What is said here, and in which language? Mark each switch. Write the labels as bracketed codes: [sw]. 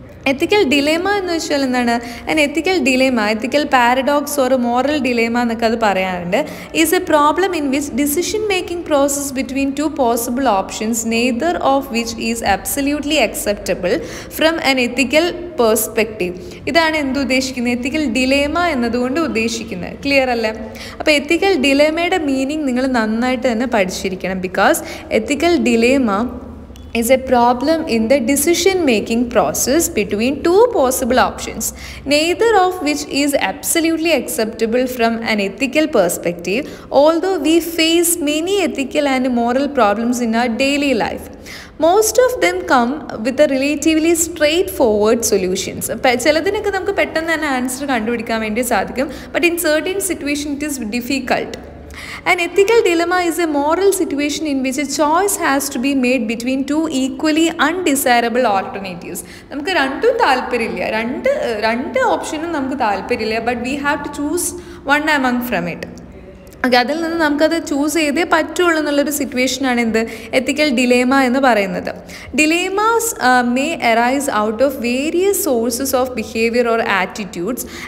[ml] എത്തിക്കൽ dilemma എന്ന് വെച്ചാൽ എന്താണ്, [en] an ethical dilemma, ethical paradox or moral dilemma [ml] എന്നൊക്കെ അത് പറയാറുണ്ട്, [en] Is a problem in which decision making process between two possible options neither of which is absolutely acceptable from an ethical perspective. [ml] ഇതാണ് എന്തുദ്ദേശിക്കുന്നത്, എത്തിക്കൽ dilemma എന്നതുകൊണ്ട് ഉദ്ദേശിക്കുന്നത്. Clear അല്ലേ? അപ്പോൾ എത്തിക്കൽ ഡിലേമയുടെ meaning നിങ്ങൾ നന്നായിട്ട് തന്നെ പഠിച്ചിരിക്കണം. [en] Because ethical dilemma is a problem in the decision making process between two possible options neither of which is absolutely acceptable from an ethical perspective although we face many ethical and moral problems in our daily life. Most of them come with a relatively straightforward solutions. [ml] ചിലതിനൊക്കെ നമുക്ക് പെട്ടെന്ന് തന്നെ answer കണ്ടുപിടിക്കാൻ വേണ്ടി സാധിക്കും, [en] But in certain situation it is difficult. An ethical dilemma is a moral situation in which a choice has to be made between two equally undesirable alternatives. [ml] നമുക്ക് രണ്ടും താല്പര്യമില്ല, രണ്ട് ഓപ്ഷനും നമുക്ക് താല്പര്യമില്ല, [en] But we have to choose one among from it. [ml] Okay, അതിൽ നിന്ന് നമുക്കത് ചൂസ് ചെയ്തേ പറ്റുള്ളൂ എന്നുള്ളൊരു സിറ്റുവേഷനാണ് എന്ത്, എത്തിക്കൽ ഡിലേമ എന്ന് പറയുന്നത്. [en] Dilemmas may arise out of various sources of behaviour or attitudes.